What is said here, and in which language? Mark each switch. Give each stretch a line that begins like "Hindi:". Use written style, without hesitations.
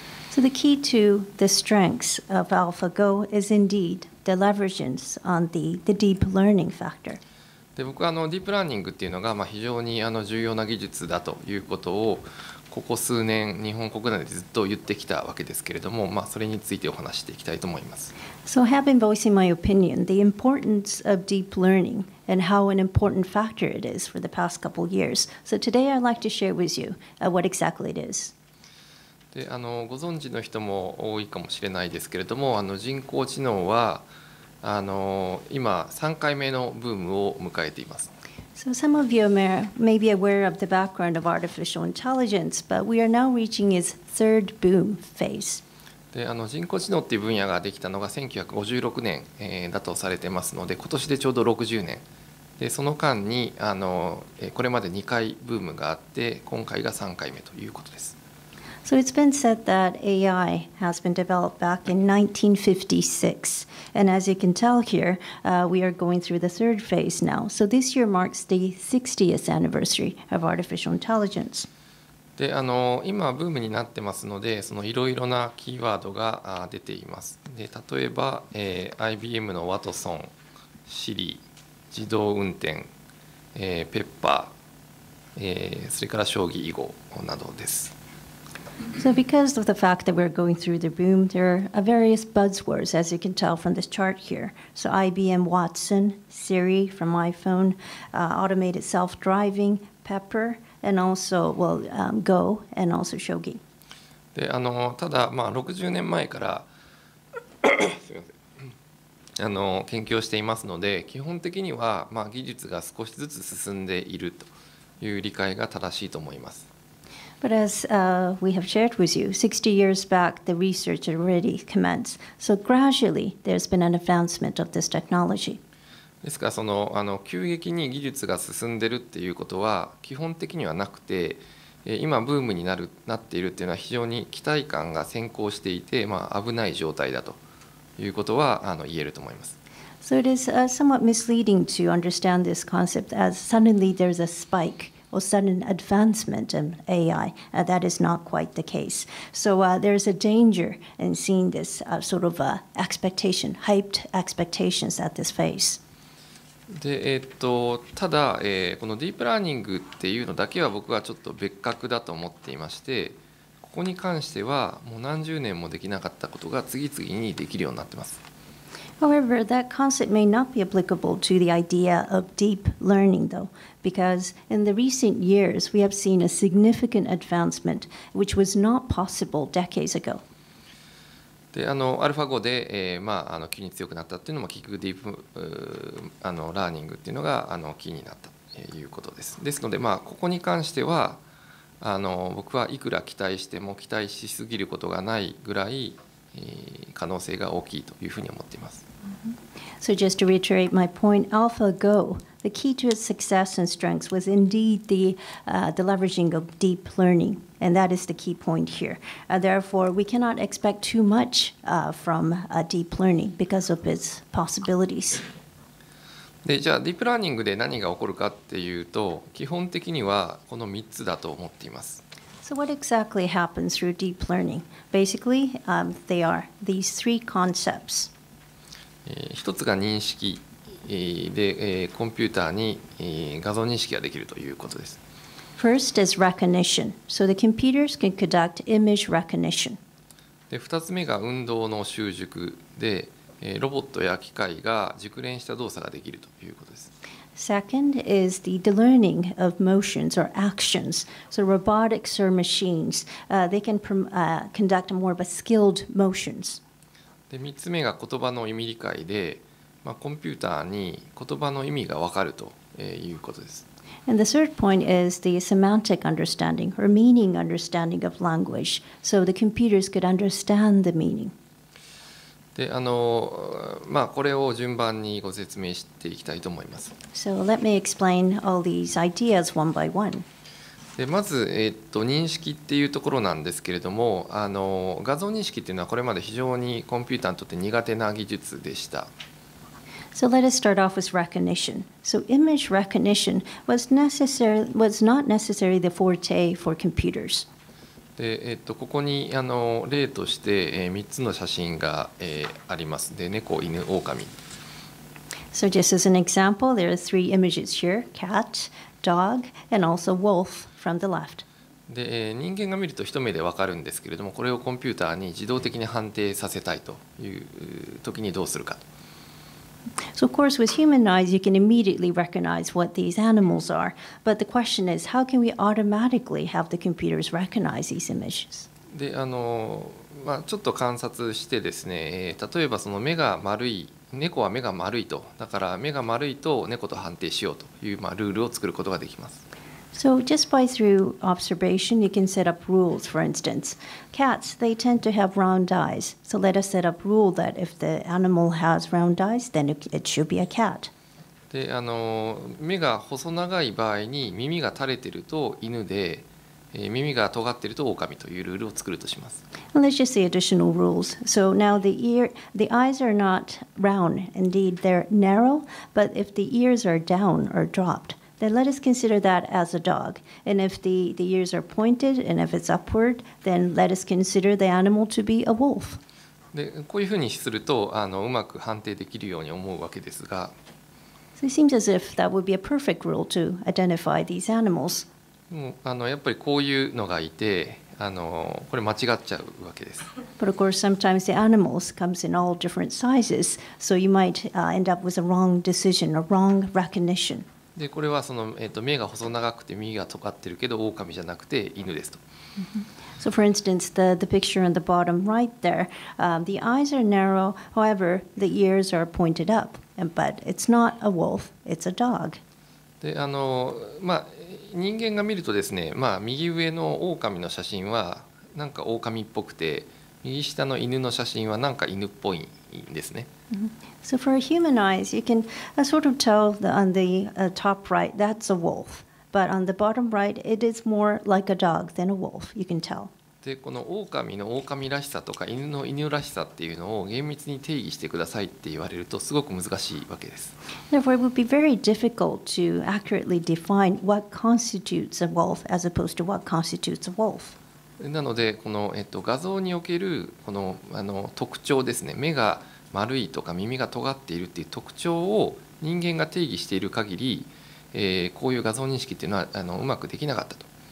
English: So the key to the strengths of AlphaGo is indeed the leveragance on the deep learning factor.
Japanese: で、僕はディープラーニングっていうのが非常に重要な技術だということをここ数年日本国内でずっと言ってきたわけですけれども、それについてお話していきたいと思います。
English: So I have been voicing my opinion, the importance of deep learning and how an important factor it is for the past couple of years. So today I'd like to share with you what exactly it is.
Japanese: で、ご存知の人も多いかもしれないですけれども、人工知能は今3回目のブームを迎えています。
English: So some of you may be aware of the background of artificial intelligence, but we are now reaching its third boom phase.
Japanese: で、人工知能っていう分野ができたのが1956年、だとされてますので、今年でちょうど60年。で、その間にこれまで2回ブームがあって、今回が3回目ということです。
English: So it's been said that AI has been developed back in 1956. And as you can tell here, we are going through the third phase now. So this year marks the 60th anniversary of artificial intelligence.
Japanese: で、今ブームになってますので、そのいろいろなキーワードが出ています。で、例えば、IBM のワトソン、Siri、自動運転、ペッパー、それから将棋囲碁などです。
English: So because of the fact that we're going through the boom, there are various buzzwords, as you can tell from this chart here. So IBM Watson, Siri from iPhone, automated self-driving, Pepper, and also, Go, and also Shogi.
Japanese: で、ただ、60年前からすみません研究をしていますので、基本的には、技術が少しずつ進んでいるという理解が正しいと思います。
English: But as we have shared with you, 60 years back, the research already commenced. So gradually, there's been an advancement of this technology.
Japanese: ですから、急激に技術が進んでるっていうことは基本的にはなくて、今ブームになっているっていうのは非常に期待感が先行していて、危ない状態だということは言えると思います。
English: So it is somewhat misleading to understand this concept as suddenly there's a spike. Or sudden advancement in AI, that is not quite the case. So there is a danger in seeing this expectation, hyped expectations at this phase.
Japanese: で、ただ、このディープラーニングっていうのだけは僕はちょっと別格だと思っていまして、ここに関してはもう何十年もできなかったことが次々にできるようになってます。
English: However, that concept may not be applicable to the idea of deep learning, though, because in the recent years, we have seen a significant advancement, which was not possible decades ago.
Japanese: で、アルファ5で、急に強くなったっていうのも、結局ディープラーニングっていうのが、キーになったということです。ですので、ここに関しては、僕はいくら期待しても期待しすぎることがないぐらい、可能性が大きいというふうに思っています。
English: So just to reiterate my point, AlphaGo, the key to its success and strengths was indeed the leveraging of deep learning, and that is the key point here. Therefore, we cannot expect too much from deep learning because of its possibilities.
Japanese: で、じゃあディープラーニングで何が起こるかっていうと、基本的にはこの3つだと思っています。
English: So what exactly happens through deep learning? Basically, they are these three concepts.
Japanese: 一つが認識で、コンピューターに画像認識ができるということです。
English: First is recognition. So the computers can conduct image recognition.
Japanese: で、二つ目が運動の習熟で、ロボットや機械が熟練した動作ができるということです。
English: Second is the learning of motions or actions. So robotics or machines, they can conduct more of a skilled motions.
Japanese: で、3つ目が言葉の意味理解で、コンピューターに言葉の意味が分かるということです。
English: And the third point is the semantic understanding or meaning understanding of language. So the computers could understand the meaning.
Japanese: で、これを順番にご説明していきたいと思います。
English: So let me explain all these ideas one by one.
Japanese: で、まず、認識っていうところなんですけれども、画像認識っていうのはこれまで非常にコンピューターにとって苦手な技術でした。
English: So let us start off with recognition. So image recognition was not necessarily the forte for computers.
Japanese: で、ここに例として3つの写真が、あります。で、猫、犬、狼。
English: So just as an example, there are three images here: cat, dog, and also wolf from the left.
Japanese: で人間が見ると一目で分かるんですけれども、これをコンピューターに自動的に判定させたいという時にどうするか。
English: So of course, with human eyes, you can immediately recognize what these animals are. But the question is, how can we automatically have the computers recognize these images?
Japanese: で、ちょっと観察してですね、例えばその目が丸い、猫は目が丸いと、だから目が丸いと猫と判定しようという、ルールを作ることができます。
English: So just by through observation, you can set up rules. For instance, cats, they tend to have round eyes. So let us set up rule that if the animal has round eyes, then it should be a cat.
Japanese: で、目が細長い場合に耳が垂れてると犬で、耳が尖ってると狼というルールを作るとします。
English: And let's just say additional rules. So now the eyes are not round. Indeed, they're narrow. But if the ears are down or dropped,Then let us consider that as a dog. And if the ears are pointed and if it's upward, then let us consider the animal to be a wolf.
Japanese: で、こういうふうにすると、うまく判定できるように思うわけですが。
English: So it seems as if that would be a perfect rule to identify these animals.
Japanese: やっぱりこういうのがいて、これ間違っちゃうわけです。
English: But of course, sometimes the animals come in all different sizes, so you might end up with a wrong decision, a wrong recognition.
Japanese: でこれはその、目が細長くて耳が尖ってるけど狼じゃなくて犬ですと。
English: So for instance, the picture on the bottom right there,the eyes are narrow, however, the ears are pointed up, but it's not a wolf, it's a dog.
Japanese: で人間が見るとですね、右上の狼の写真はなんか狼っぽくて、右下の犬の写真はなんか犬っぽいんですね。
English: So for human eyes, you can sort of tell on the top right, that's a wolf. But on the bottom right, it is more like a dog than a wolf. You can tell.
Japanese: で、この狼の狼らしさとか犬の犬らしさっていうのを厳密に定義してくださいって言われるとすごく難しいわけです。
English: Therefore, it would be very difficult to accurately define what constitutes a wolf as opposed to what constitutes a wolf.
Japanese: なのでこの画像におけるこの特徴ですね、目が丸いとか耳が尖っているっていう特徴を人間が定義している限り、こういう画像認識っていうのはうまくできなかったと。